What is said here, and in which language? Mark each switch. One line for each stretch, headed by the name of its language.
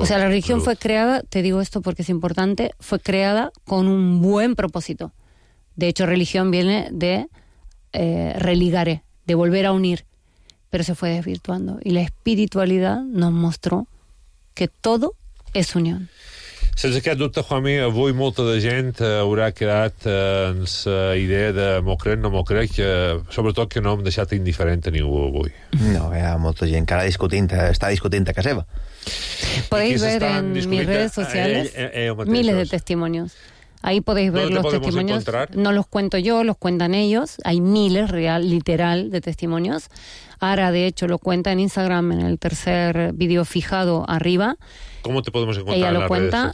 Spanish: O sea, la religión fue creada, te digo esto porque es importante, fue creada con un buen propósito. De hecho, religión viene de religare, de volver a unir, pero se fue desvirtuando. Y la espiritualidad nos mostró que todo es unión.
Catalan: Sense aquest dubte, Juanmi, avui molta de gent haurà quedat en la idea de m'ho crec, no m'ho crec, que, sobretot que no hem deixat indiferent a ningú avui. No, hi ha molta gent que ara està discutint a casa seva. Podeu veure
Spanish: en mis redes sociales miles de testimonios. Ahí podéis ver los testimonios. ¿Dónde te podemos encontrar? No los cuento yo, los cuentan ellos. Hay miles, real, literal, de testimonios. Ara, de hecho, lo cuenta en Instagram, en el tercer vídeo fijado arriba. ¿Cómo te podemos encontrar ella en lo las cuenta,